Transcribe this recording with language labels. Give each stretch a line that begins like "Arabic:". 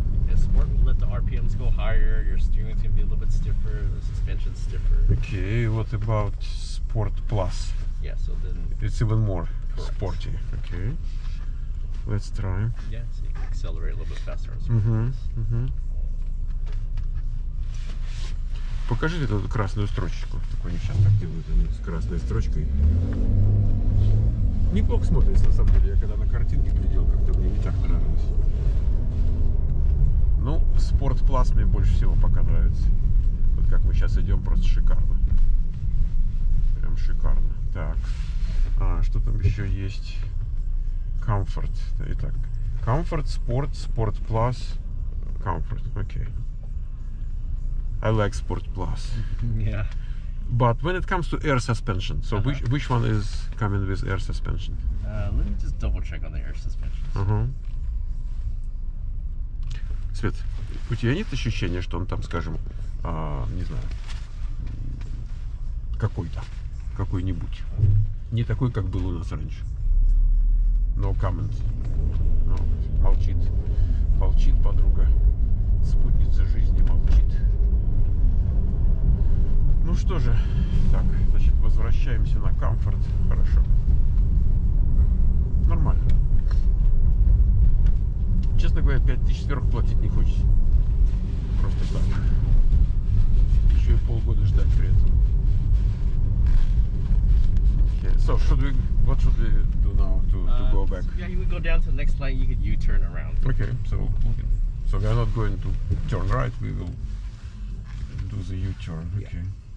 English: Yeah, sport will let the RPMs go higher, your steering is going to be a little bit stiffer, the suspension stiffer. Okay, what about sport plus? Yeah, so then... It's even more correct. Sporty, okay. Let's try. Yeah, so you can accelerate a little bit faster. Mm-hmm. Mm-hmm.
Russian: Покажите эту красную строчку. Так они сейчас так делают, они с красной строчкой. Неплохо смотрится, на самом деле. Я когда на картинке глядел, как-то мне не так нравилось. Ну, спорт плас мне больше всего пока нравится. Вот как мы сейчас идем, просто шикарно. Прям шикарно. Так. А, что там еще есть? Комфорт. Итак. Комфорт, спорт, спорт плас. Комфорт. Окей.
English: I like Sport Plus. Yeah. But when it comes to air suspension, so which one is coming with air suspension? Let me just double check on the air suspension. Uh-huh.
Russian: Свет, у тебя нет ощущения, что он там, скажем, не знаю, какой-то, какой-нибудь. Не такой, как был у нас раньше.
English: No comment. No.
Russian: Молчит. Молчит, подруга. Спутница жизни молчит. Ну что же, так, значит, возвращаемся на комфорт, хорошо, нормально. Честно говоря, 5000 сверху платить не хочется, просто так, еще и полгода ждать при этом.
English: Okay. So, what should we do now to go back? Yeah, you would go down to the next line, you could U-turn around. Okay, so we are not going to turn right, we will do the U-turn, okay. Yeah.